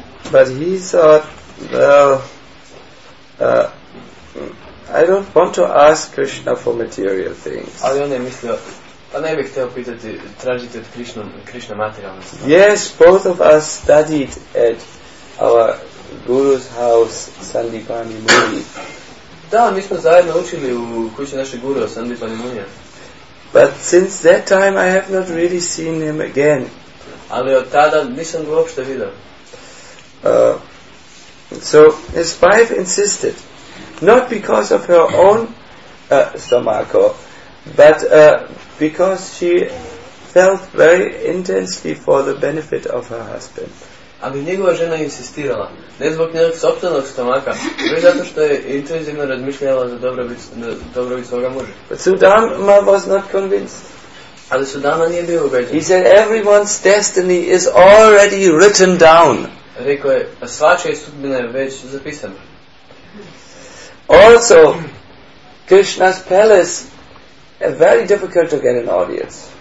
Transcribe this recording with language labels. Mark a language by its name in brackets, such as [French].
[English] But he thought, well, I don't want to ask Krishna for material things. [Croatian] Ali on je mislio, pa ne bih htio pitati, tražiti od Krišna materialne stvari. [English] Yes, both of us studied at our guru's house, Sandipani Muni. [Croatian] Da, mi smo zajedno učili u kući našeg gurua Sandipani Munija. [English] But since that time I have not really seen him again. [Croatian] Ali od tada nisam ga uopšte vidio. [English] So his wife insisted, not because of her own stomach, but because she felt very intensely for the benefit of her husband. [Croatian] Ali njegova žena insistirala, ne zbog njegovog sopstvenog stomaka, već zato što je intenzivno razmišljala za dobrobit svoga muža. [English] But Sudama was not convinced. [Croatian] Ali Sudama nije bio ubeđen. [English] He said, "Everyone's destiny is already written down." [Croatian] Rekao je, svačija sudbina je već zapisana. [English] Also, Krishna's palace is very difficult to get an audience.